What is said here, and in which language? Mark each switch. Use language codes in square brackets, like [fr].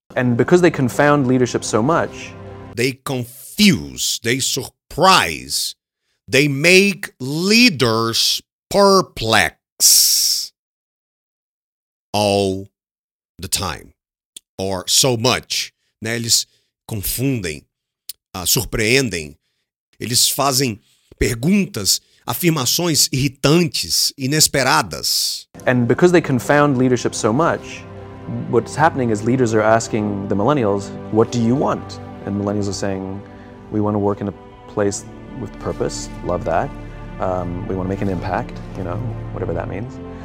[en] And because they confound leadership so much, they confuse, they surprise, they make leaders perplex all the time, or so much. [pt] Né? Eles confundem, surpreendem, eles fazem perguntas, afirmações irritantes, inesperadas. [en] And because they confound leadership so much, what's happening is leaders are asking the millennials, what do you want? And millennials are saying, we want to work in a place with purpose, love that. We want to make an impact, you know, whatever that means.